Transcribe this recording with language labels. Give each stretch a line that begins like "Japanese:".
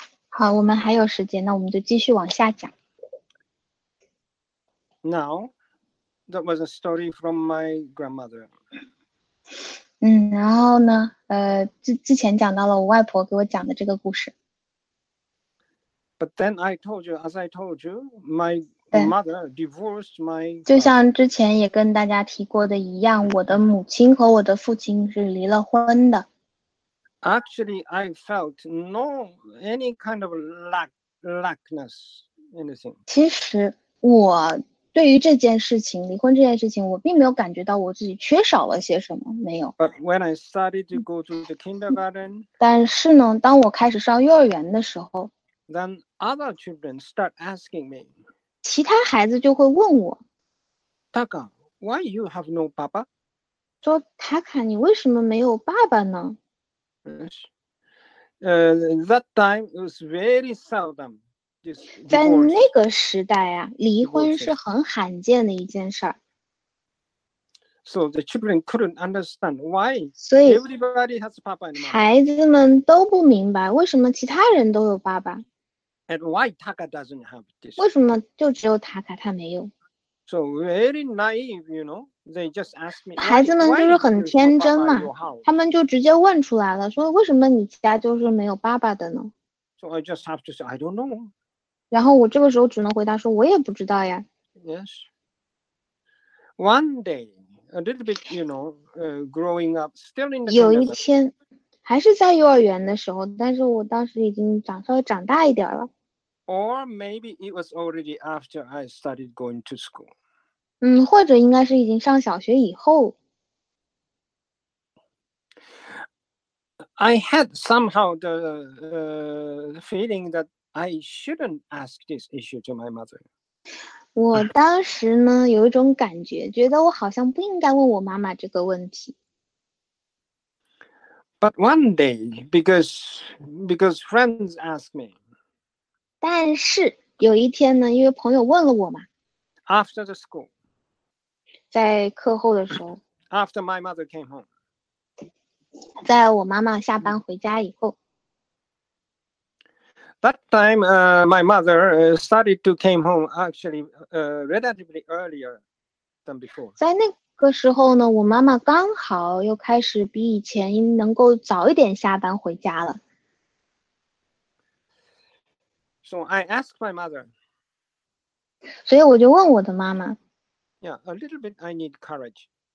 Chinese: 好，我们还有时间，那我们就继续往下讲。
English: Now. That was a story from my grandmother.
Chinese: 然后呢？之前讲到了我外婆给我讲的这个故事。
English: But then I told you, as I told you, my mother divorced my.
Chinese: 就像之前也跟大家提过的一样，我的母亲和我的父亲是离了婚的。
English: Actually, I felt no any kind of lackness, anything.
Chinese: 其实我。对于这件事情，离婚这件事情，我并没有感觉到我自己缺少了些什么，没有。
English: But when I started to go to the kindergarten,
Chinese: 但是呢，当我开始上幼儿园的时候
English: ，then other children start asking me.
Chinese: 其他孩子就会问我
English: ，Taka, why you have no papa?
Chinese: 说 Taka, 你为什么没有爸爸呢
English: ？That time was very seldom.
Chinese: 在那个时代啊，离婚是很罕见的一件事儿。
English: So the children couldn't understand why.
Chinese: 所以
English: everybody has papa.
Chinese: 孩子们都不明白为什么其他人都有爸爸。
English: And why Taka doesn't have this?
Chinese: 为什么就只有 Taka 他没有
English: ？So very naive, you know. They just asked me.
Chinese: 孩子们就是很天真嘛，他们就直接问出来了，说为什么你家就是没有爸爸的呢？
English: So I just have to say I don't know.
Chinese: 然后我这个时候只能回答说，我也不知道呀。
English: Yes. One day, a little bit, you know, growing up, still in the.
Chinese: 有一天，还是在幼儿园的时候，但是我当时已经稍微长大一点了。
English: Or maybe it was already after I started going to school.
Chinese: 或者应该是已经上小学以后。
English: I had somehow the feeling that I shouldn't ask this issue to my mother.
Chinese: 我当时呢有一种感觉，觉得我好像不应该问我妈妈这个问题。
English: But one day, because friends asked me.
Chinese: 但是有一天呢，因为朋友问了我嘛。
English: After the school.
Chinese: 在课后的时候。
English: After my mother came home.
Chinese: 在我妈妈下班回家以后
English: ，That time, my mother started to came home actually, relatively earlier than before.
Chinese: 在那个时候呢，我妈妈刚好又开始比以前能够早一点下班回家了。
English: So I asked my mother.
Chinese: 所以我就问我的妈妈。
English: Yeah, a little bit. I need courage.